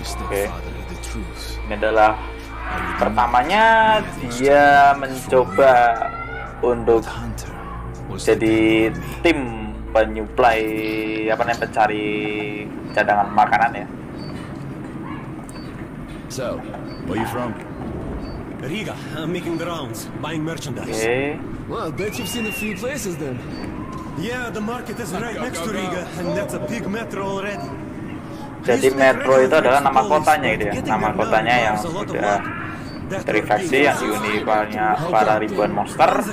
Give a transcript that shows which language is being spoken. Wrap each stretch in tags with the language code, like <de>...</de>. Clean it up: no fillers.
<id>Okay. Ini adalah pertamanya dia mencoba untuk jadi tim penyuplai apa namanya pencari cadangan makanan ya.</id> <en>So, where you from? Riga, I'm making the rounds, buying merchandise. Okay. Well, I bet you've seen a few places then. Yeah, the market is right next to Riga, and that's a big metro already.</en> <id>Jadi metro itu adalah nama kotanya gitu ya. Nama kotanya yang sudah terinfeksi, yang dihuni banyak para ribuan monster.</id>